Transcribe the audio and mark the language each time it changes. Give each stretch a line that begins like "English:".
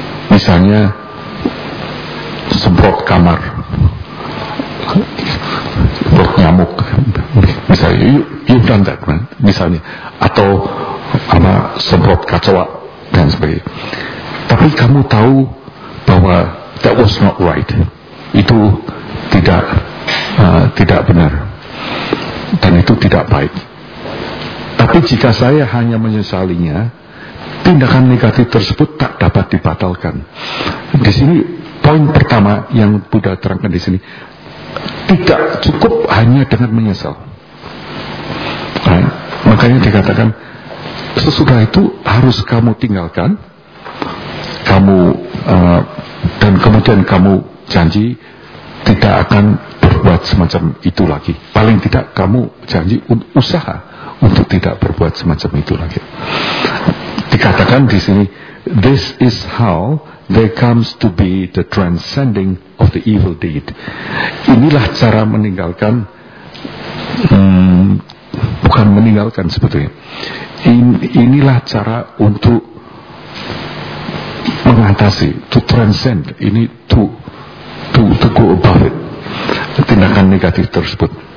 Indonesian: Misalnya semprot kamar, semprot nyamuk, misalnya yudantek, misalnya, atau sama semprot kacau dan sebagainya. Tapi kamu tahu bahwa
English: that was not right.
Indonesian: Itu tidak tidak benar dan itu tidak baik. Tapi jika saya hanya menyesalinya, tindakan negatif tersebut tak dapat dibatalkan. Di sini poin pertama yang Buddha terangkan di sini, tidak cukup hanya dengan menyesal. Nah, makanya dikatakan sesudah itu harus kamu tinggalkan, kamu dan kemudian kamu janji tidak akan berbuat semacam itu lagi. Paling tidak kamu janji usaha untuk tidak berbuat semacam itu lagi. Dikatakan di sini,
English: this is how there comes to be the transcending of the evil deed.
Indonesian: Inilah cara meninggalkan, bukan meninggalkan sebetulnya. Inilah cara untuk mengatasi,
English: to transcend,
Indonesian: ini
English: to go above it,
Indonesian: tindakan negatif tersebut.